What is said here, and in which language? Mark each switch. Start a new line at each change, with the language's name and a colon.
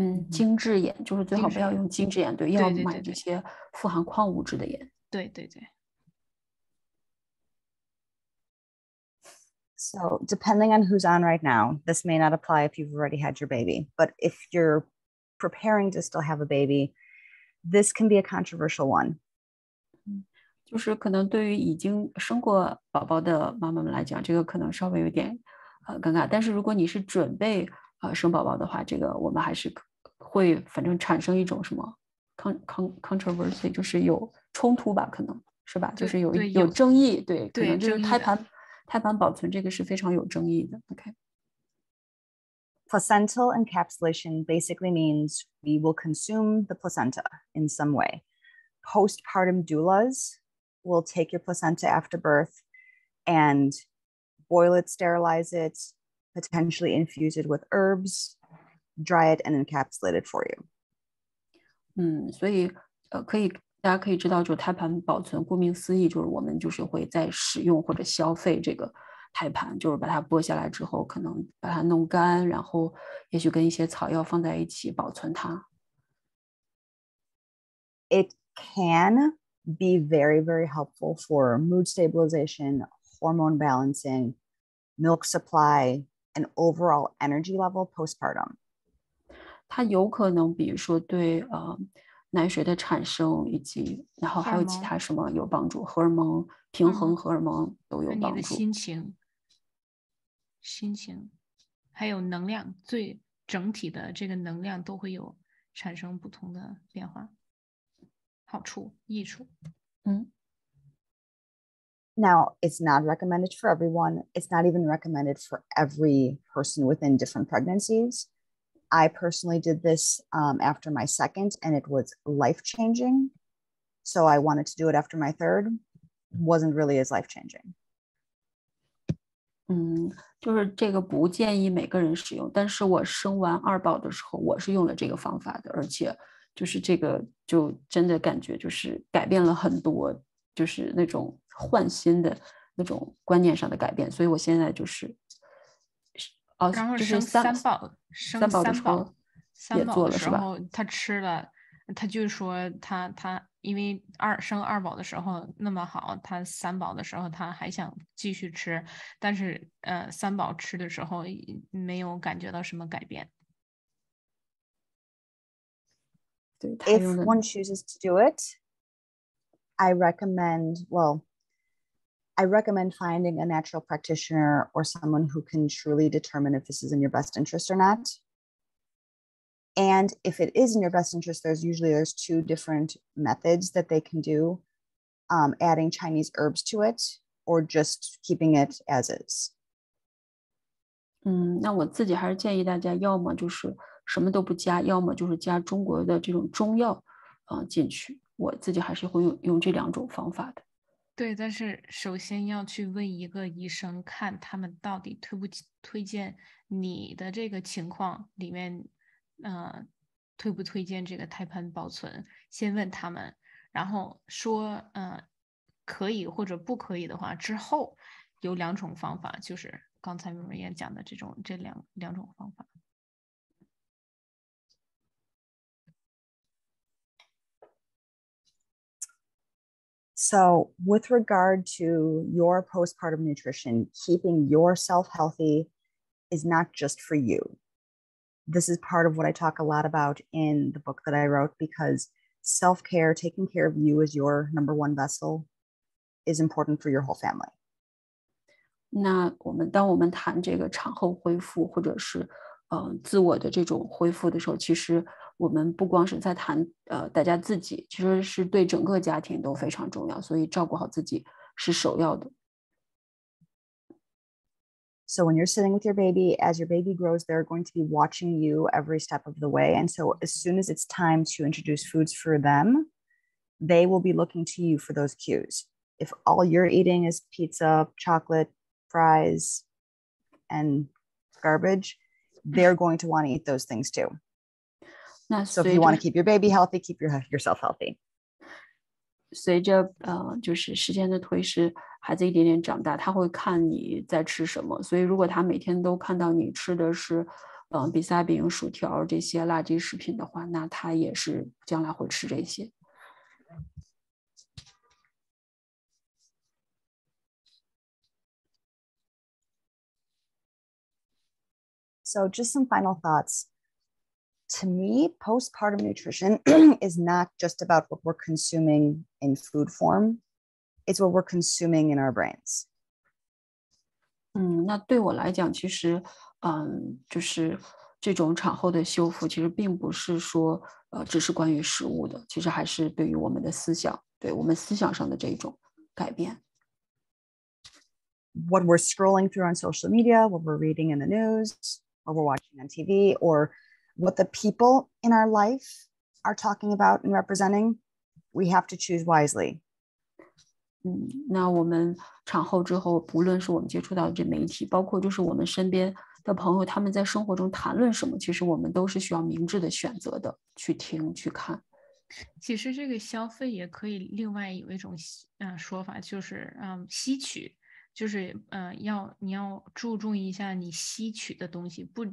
Chinese: 精制盐就是最好不要用精制盐，对，要买这些富含矿物质的盐，对对对。
English: So depending on who's on right now, this may not apply if you've already had your baby, but if you're preparing to still have a baby, this can be a controversial one.
Chinese: 就是可能对于已经生过宝宝的妈妈们来讲，这个可能稍微有点尴尬。但是如果你是准备生宝宝的话，这个我们还是会反正产生一种什么 controversy， 就是有冲突吧，可能是吧，就是有争议，对，可能就是胎盘保存这个是非常有争议的。 OK。
English: Placental encapsulation basically means we will consume the placenta in some way. Postpartum doulas will take your placenta after birth and boil it, sterilize it, potentially infuse it with herbs, dry it and encapsulate it for you.
Chinese: 所以可以大家可以知道就胎盘保存顾名思义就是我们就是会在使用或者消费这个胎盘就是把它剥下来之后可能把它弄干然后也许跟一些草药放在一起保存它。
English: It can be very, very helpful for mood stabilization, hormone balancing, milk supply, and overall energy level postpartum.
Chinese: 它有可能比如说对奶水的产生以及然后还有其他什么有帮助荷尔蒙平衡荷尔蒙都有帮助。你的心情还有能量最整体的这个能量都会有产生不同的变化好处益处
English: Now it's not recommended for everyone it's not even recommended for every person within different pregnancies I personally did this after my second and it was life changing so I wanted to do it after my third wasn't really as life changing
Chinese: 就是这个不建议每个人使用但是我生完二宝的时候我是用了这个方法的而且就是这个就真的感觉就是改变了很多就是那种换心的那种观念上的改变所以我现在就是刚刚生三宝的时候也做了是吧他吃了他就说他因为生二宝的时候那么好他三宝的时候他还想继续吃但是三宝吃的时候没有感觉到什么改变。
English: If one chooses to do it, I recommend finding a natural practitioner or someone who can truly determine if this is in your best interest or not. And if it is in your best interest, there's two different methods that they can do, adding Chinese herbs to it or just keeping it as is.
Chinese: 那我自己还是建议大家要么就是什么都不加要么就是加中国的这种中药进去我自己还是会用这两种方法的。对但是首先要去问一个医生看他们到底推荐你的这个情况里面推不推荐这个胎盘保存先问他们然后说可以或者不可以的话之后有两种方法就是刚才美美也讲的这两种方法。
English: So with regard to your postpartum nutrition, keeping yourself healthy is not just for you. This is part of what I talk a lot about in the book that I wrote because self-care, taking care of you as your number one vessel is important for your whole family.
Chinese: 那我们当我们谈这个产后恢复或者是自我的这种恢复的时候其实我们不光是在谈大家自己其实是对整个家庭都非常重要所以照顾好自己是首要的。
English: So when you're sitting with your baby, as your baby grows, they're going to be watching you every step of the way. And so as soon as it's time to introduce foods for them, they will be looking to you for those cues. If all you're eating is pizza, chocolate, fries, and garbage, they're going to want to eat those things too. So if you want to keep your baby healthy, keep yourself healthy.
Chinese: 随着就是时间的推迟孩子一点点长大他会看你在吃什么所以如果他每天都看到你吃的是比萨饼薯条这些垃圾食品的话那他也是将来会吃这些。
English: So just some final thoughts. To me, postpartum nutrition is not just about what we're consuming in food form. It's what we're consuming in our brains.
Chinese: 那对我来讲，其实，就是这种产后的修复，其实并不是说，只是关于食物的，其实还是对于我们的思想，对我们思想上的这种改变。
English: What we're scrolling through on social media, what we're reading in the news, what we're watching on TV, or what the people in our life are talking about and representing, we have to choose wisely.
Chinese: 那我们产后之后，不论是我们接触到的这媒体，包括就是我们身边的朋友，他们在生活中谈论什么，其实我们都是需要明智的选择的，去听，去看。其实这个消费也可以另外有一种说法，就是吸取，就是你要注重一下你吸取的东西，